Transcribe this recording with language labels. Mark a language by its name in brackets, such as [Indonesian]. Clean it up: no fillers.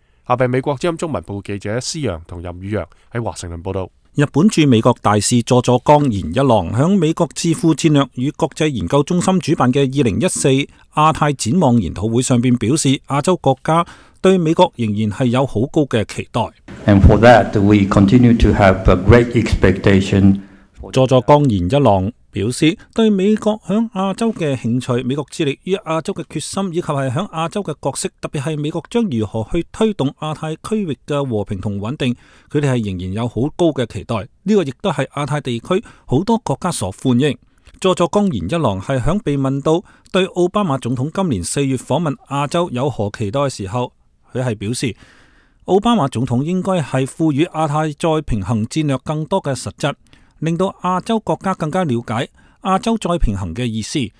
[Chinese] 下面美国之音中文部记者思阳和任宇阳在华盛顿报道。日本驻美国大使佐佐刚贤一郎在美国智库战略与国际研究中心主办的2014亚太展望研讨会上面表示，亚洲国家对美国仍然是有很高的期待。 [English] And for that, we continue to have a great expectation. [Chinese] 佐佐刚贤一郎表示，对美国在亚洲的兴趣、美国致力于亚洲的决心，以及是在亚洲的角色，特别是美国将如何去推动亚太区域的和平和稳定，他们是仍然有很高的期待。这个亦都是亚太地区很多国家所欢迎。佐佐刚贤一郎是在被问到对奥巴马总统今年四月访问亚洲有何期待的时候，他是表示，奥巴马总统应该是赋予亚太再平衡战略更多的实质，令到亚洲国家更加了解亚洲再平衡的意思。